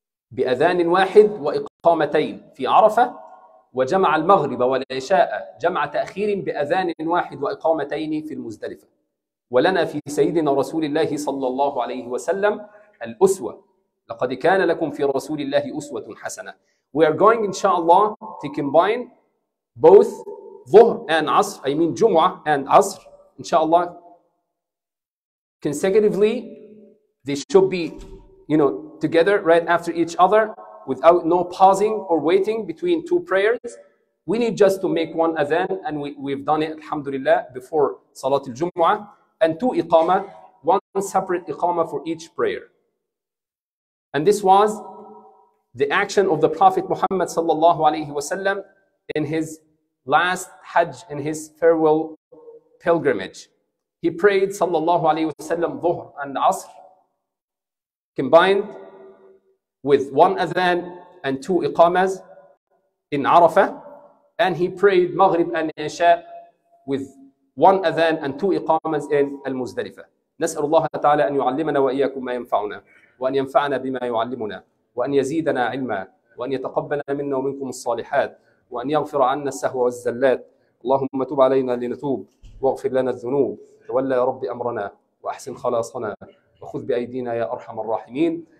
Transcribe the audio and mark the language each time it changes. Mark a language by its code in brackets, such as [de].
[ar] بأذان واحد وإقامتين في عرفة، وجمع المغرب والعشاء جمع تأخير بأذان واحد وإقامتين في المزدلفة. ولنا في سيدنا رسول الله صلى الله عليه وسلم الأسوة، لقد كان لكم في رسول الله أسوة حسنة. [en] We are going إن شاء الله to combine both ظهر and عصر، I mean جمعة and عصر إن شاء الله consecutively. They should be, you know, together right after each other without no pausing or waiting between two prayers. We need just to make one أذان and we've done it الحمد لله before صلاة الجمعة، and two إقامة، one separate إقامة for each prayer. And this was the action of the Prophet Muhammad sallallahu alayhi wasallam in his last Hajj, in his farewell pilgrimage. He prayed sallallahu alayhi wasallam dhuhr and asr combined with one adhan and two iqamas in Arafah, and he prayed maghrib and isha with one adhan and two iqamas in al-Muzdalifah. [ar] Nas'alullah ta'ala an yu'allimana wa iyyakum ma yanfa'una، وأن ينفعنا بما يعلمنا، وأن يزيدنا علما، وأن يتقبل منا ومنكم الصالحات، وأن يغفر عنا السهو والزلات. اللهم تب علينا لنتوب، واغفر لنا الذنوب، تولى يا رب أمرنا، وأحسن خلاصنا، وخذ بأيدينا يا أرحم الراحمين.